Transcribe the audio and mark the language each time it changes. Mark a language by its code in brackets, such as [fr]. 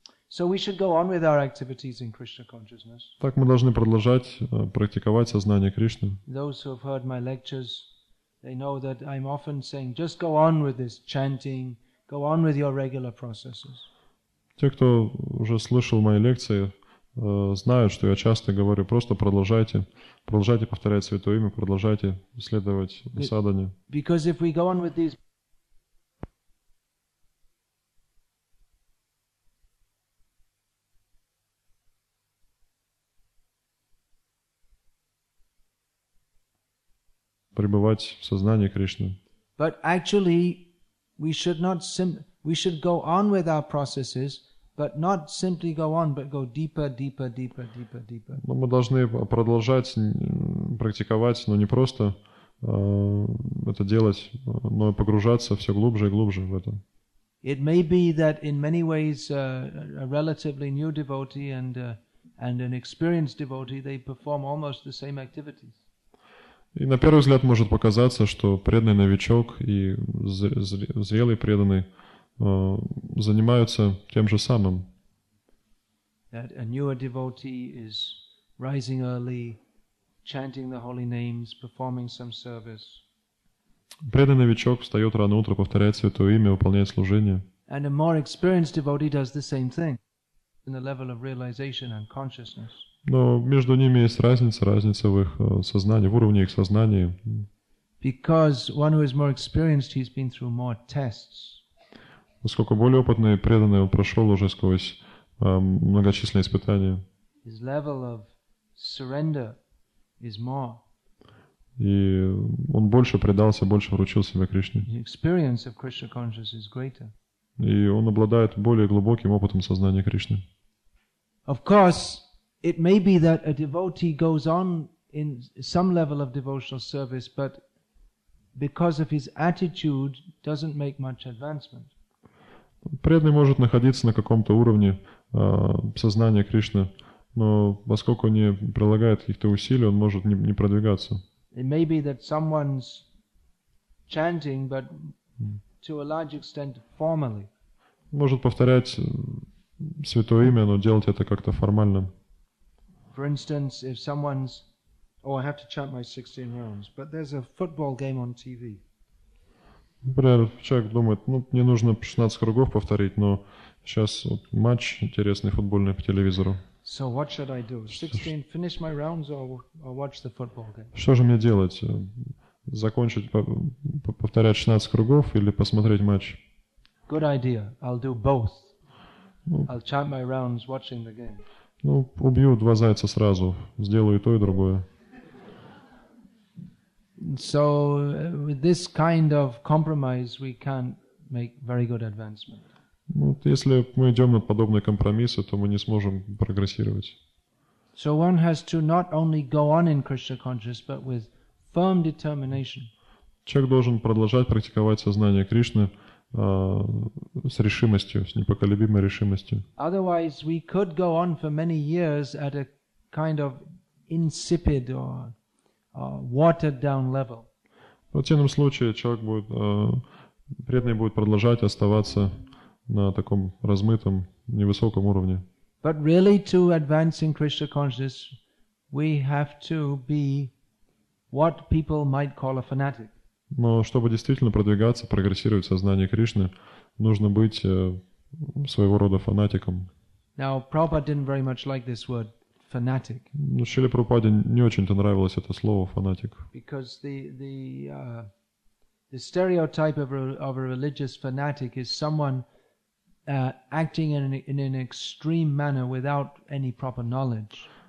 [en] So we should go on with our activities in Krishna consciousness. [ru] Так мы должны продолжать практиковать сознание Кришны. [en] Those who have heard my lectures, they know that I'm often saying, just go on with this chanting. Go on with your regular processes. [ru] Те, кто уже слышал мои лекции, знают, что я часто говорю, просто продолжайте повторять Святое Имя, продолжайте следовать садхане. [en] Because if we go on with these... [ru] пребывать в сознании Кришны. [en] But actually... We should go on with our processes, but not simply go on, but go deeper. [ru] Но мы должны продолжать практиковать, но не просто это делать, но погружаться все глубже и глубже в это. [en] It may be that in many ways a relatively new devotee and an experienced devotee, they perform almost the same activities. [ru] И на первый взгляд может показаться, что преданный новичок и зрелый преданный занимаются тем же самым. [en] That a newer devotee is rising early, chanting the holy names, performing some service. [ru] Преданный новичок встает рано утром, повторяет Святое Имя, выполняет служение. [en] And a more experienced devotee does the same thing in the level of realization and consciousness. [ru] Но между ними есть разница в их сознании, в уровне их сознания. [en] Because one who is more experienced, he's been through more tests. [ru] Поскольку более опытный и преданный, он прошел уже сквозь многочисленные испытания. [en] His level of surrender is more. [ru] И он больше предался, больше вручил себя Кришне. [en] His experience of Krishna consciousness is greater. [ru] И он обладает более глубоким опытом сознания Кришны. [en] Of course, it may be that a devotee goes on in some level of devotional service, but because of his attitude, doesn't make much advancement. [ru] Преданный может находиться на каком-то уровне сознания Кришны, но поскольку не прилагает каких-то усилий, он может не продвигаться. [en] It may be that someone's chanting, but to a large extent formally. [ru] Может повторять Святое Имя, но делать это как-то формально. [en] For instance, if someone's... Oh, I have to chant my 16 rounds. But there's a football game on TV. [ru] Например, человек думает, ну, мне нужно 16 кругов повторить, но сейчас вот матч интересный футбольный по телевизору. [en] So what should I do? 16, finish my rounds or watch the football game? [ru] Что же мне делать? Закончить, повторять 16 кругов или посмотреть матч? [en] Good idea. I'll do both. I'll chant my rounds watching the game. [ru] Ну, убью два зайца сразу, сделаю и то, и другое. [en] So, with this kind of compromise, we can't make very good advancement. [ru] Вот если мы идем на подобные компромиссы, то мы не сможем прогрессировать. [en] So one has to not only go on in Krishna consciousness, but with firm determination. [ru] Человек должен продолжать практиковать сознание Кришны, с решимостью, с непоколебимой решимостью. [en] Otherwise, we could go on for many years at a kind of insipid or watered down level. [ru] В противном случае человек будет преданный будет продолжать оставаться на таком размытом, невысоком уровне. [en] But really to advance in Krishna consciousness, we have to be what people might call a fanatic. [ru] Но чтобы действительно продвигаться, прогрессировать в сознании Кришны, нужно быть своего рода фанатиком. [en] Now, Prabhupada didn't very much like this word fanatic. [ru] Ну, Шриле Прабхупаде не очень-то нравилось это слово фанатик. [en] Because the stereotype of a religious fanatic is someone acting in an extreme manner without any proper knowledge.